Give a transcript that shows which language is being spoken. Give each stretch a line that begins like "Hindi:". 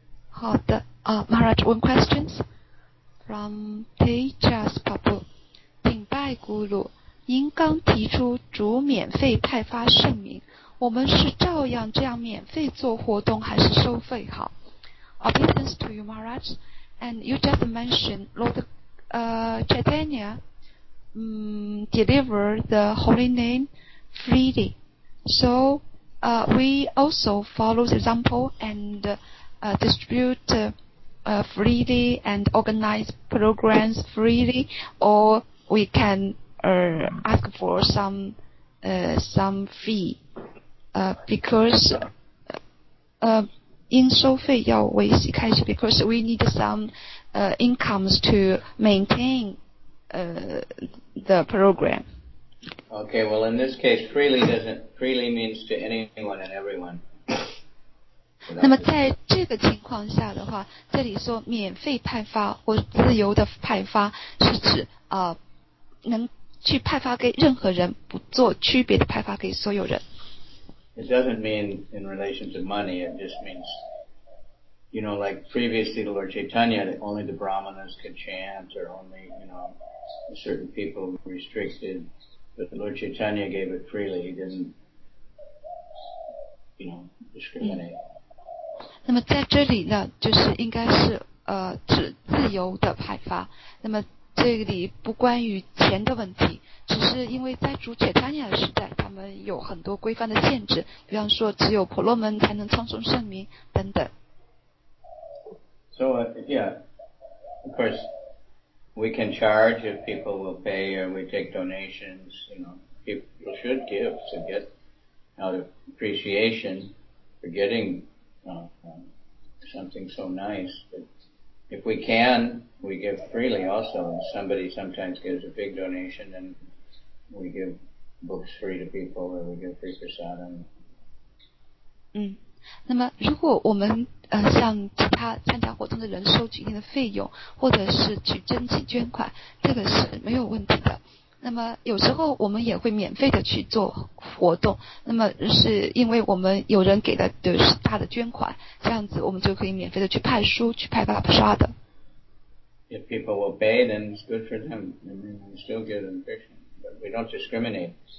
Chinese: 好的
English: Maharaj, one questions from Tejas Papu.
Chinese: 顶拜咕噜，您刚提出主免费派发圣名，我们是照样这样免费做活动还是收费好？
English: Obedience to you, Maharaj. And you just mentioned Lord Chaitanya deliver the holy name freely. So we also follow the example and distribute freely and organize programs freely, or we can ask for some fee because in
Chinese: 收费要维系开始
English: because we need some incomes to maintain the program. Okay, well in this case freely means to anyone and everyone.
Chinese: 那么在这个情况下的话，这里说免费派发或自由的派发是指能去派发给任何人，不做区别的派发给所有人。
English: It doesn't mean in relation to money, it just means, you know, like previously the Lord Chaitanya, only the Brahmanas could chant, or only, you know, certain people restricted, but the Lord Chaitanya gave it freely, he didn't, you know, discriminate.
Chinese: 那么在这里呢，就是应该是指自由的派发。那么这里不关于钱的问题，只是因为在主切坦尼亚时代，他们有很多规范的限制，比方说只有婆罗门才能唱诵圣名等等。
English: So yeah, of course, we can charge if people will pay, and we take donations. You know, people should give to get out of appreciation for getting. Something so nice. But if we can, we give freely also. Somebody sometimes gives a big donation and we give books free to people or we give free prasadam.
Chinese: 那么如果我们向其他参加活动的人收取一定的费用或者是去申请捐款，这个是没有问题的。那么有时候我们也会免费的去做活动，那么是因为我们有人给的就是他的捐款，这样子我们就可以免费的去派书，去派发布刷的。
English: If people will pay, then it's good for them. I mean, we still give them Krishna, but we don't discriminate.